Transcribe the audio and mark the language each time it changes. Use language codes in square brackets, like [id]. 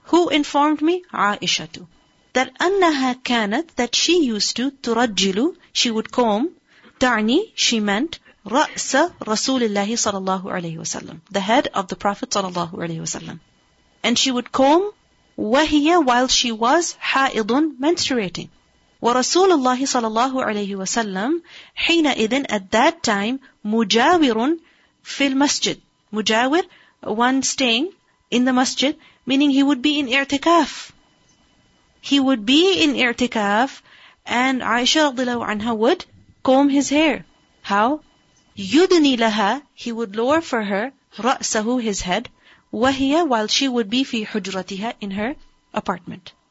[en] Who informed me? عائشة. That [ar] أنها كانت, [en] that she used to, ترجل, she would comb, تعني, she meant, [ar] رأس رسول الله صلى الله عليه وسلم, [en] the head of the Prophet صلى الله عليه وسلم. And she would comb, [ar] وهي, [en] while she was, حائض, menstruating. [ar] ورسول الله صلى الله عليه وسلم, حينئذ, [en] at that time, [ar] مجاور في المسجد. [en] مجاور, one staying in the masjid, meaning he would be in i'tikaf. He would be in i'tikaf, and Aisha radhiyallahu anha would comb his hair. How? [ar] يُدْنِي لَهَا, [en] he would lower for her, رَأْسَهُ, his head, وَهِيَ, while she would be [ar] فِي حُجْرَتِهَا, [en] in her apartment.